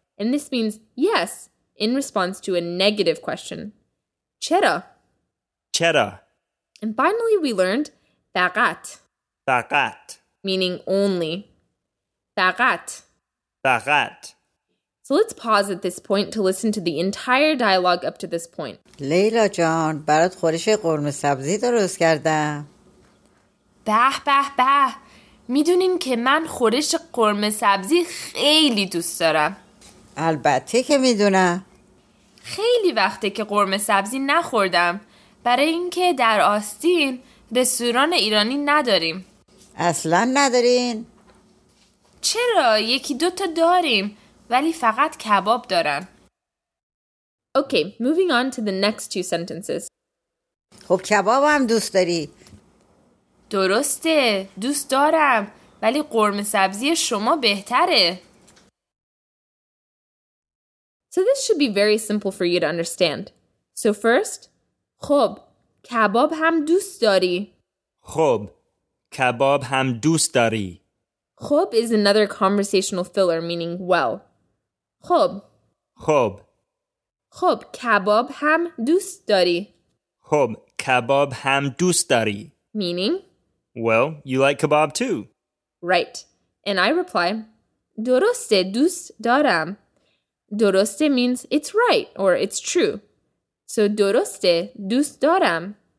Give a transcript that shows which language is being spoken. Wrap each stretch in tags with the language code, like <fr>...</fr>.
<en>And this means yes in response to a negative question.</en> <fa>چرا. چرا.</fa> <en>And finally we learned فقط.</en> <fa>فقط.</fa> <en>Meaning only. فقط.</en> <fa>فقط.</fa> <en>So let's pause at this point to listen to the entire dialogue up to this point.</en> <fa>لیلا جان برات خورش قرمه سبزی درست کردم. به به به. میدونین که من خورش قرمه سبزی خیلی دوست دارم. البته که میدونم. خیلی وقته که قرمه سبزی نخوردم. برای اینکه در آستین رستوران ایرانی نداریم. اصلا ندارین؟ چرا؟ یکی دوتا داریم. ولی فقط کباب دارن.</fa> <en>Okay, moving on to the next two sentences.</en> <fa>خب کباب هم دوست داری؟ درسته، دوست دارم. ولی قرمه سبزی شما بهتره.</fa> <en>So this should be very simple for you to understand. So first,</en> <fa>خب، کباب هم دوست داری. خب، کباب هم دوست داری.</fa> <en>خب is another conversational filler meaning well.</en> <fa>خب. خب. خب کباب هم دوست داری. خب کباب هم دوست داری.</fa> <en>Meaning? Well, you like kebab too. Right. And I reply,</en> <fa>درسته دوست دارم.</fa> <en>درسته means it's right or it's true.</en> <fa>So درسته دوست دارم.</fa>